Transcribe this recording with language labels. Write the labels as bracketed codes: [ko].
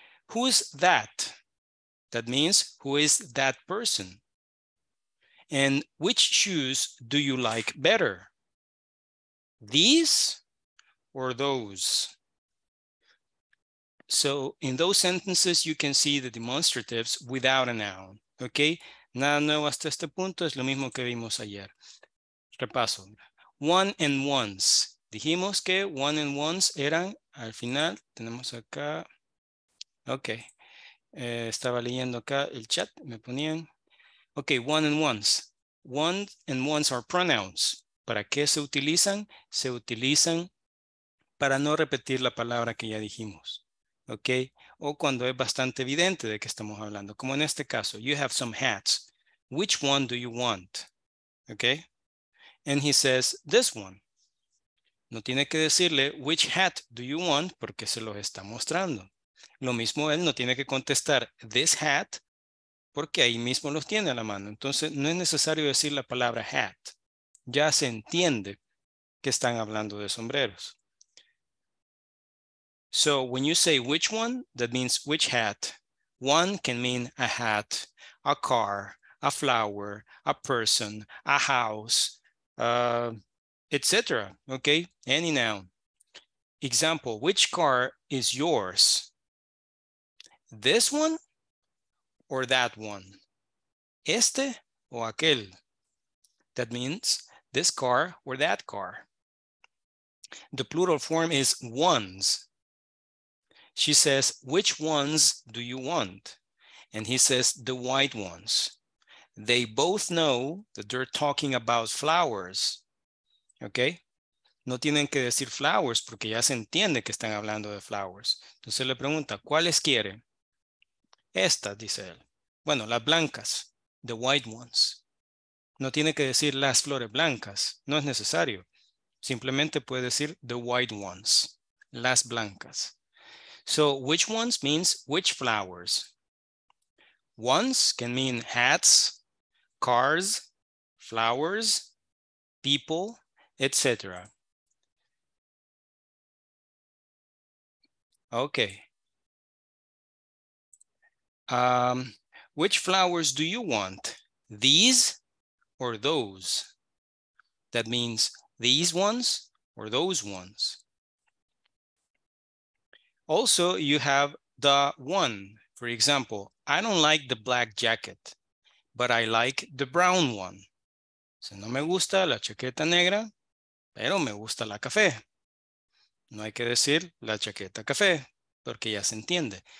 [en] Who's that? That means, who is that person? And which shoes do you like better? These or those? So in those sentences, you can see the demonstratives without a noun, okay? [es] Nada nuevo hasta este punto, es lo mismo que vimos ayer. Repaso. [en] One and ones. [es] Dijimos que [en] one and ones [es] eran, al final, tenemos acá, okay. Estaba leyendo acá el chat, me ponían. [en] Okay, one and ones. One and ones are pronouns. [es] ¿Para qué se utilizan? Se utilizan para no repetir la palabra que ya dijimos. Ok, o cuando es bastante evidente de que estamos hablando, como en este caso, [en] you have some hats, which one do you want? Ok, and he says, this one. [es] No tiene que decirle, [en] which hat do you want? [es] Porque se los está mostrando. Lo mismo, él no tiene que contestar, [en] this hat, [es] porque ahí mismo los tiene a la mano. Entonces, no es necesario decir la palabra hat. Ya se entiende que están hablando de sombreros. [en] So when you say which one, that means which hat. One can mean a hat, a car, a flower, a person, a house, etc. Okay, any noun. Example, which car is yours? This one or that one? [es] Este o aquel? [en] That means this car or that car. The plural form is ones. She says, which ones do you want? And he says, the white ones. They both know that they're talking about flowers. Okay? [es] No tienen que decir flowers porque ya se entiende que están hablando de flowers. Entonces le pregunta, ¿cuáles quiere? Estas, dice él. Bueno, las blancas, [en] the white ones. [es] No tiene que decir las flores blancas. No es necesario. Simplemente puede decir [en] the white ones, [es] las blancas. [en] So which ones means which flowers? Ones can mean hats, cars, flowers, people, etc. Okay. Which flowers do you want? These or those? That means these ones or those ones? Also, you have the one. For example, I don't like the black jacket, but I like the brown one. [es] So, no me gusta la chaqueta negra, pero me gusta la café. No hay que decir la chaqueta café, porque ya se entiende.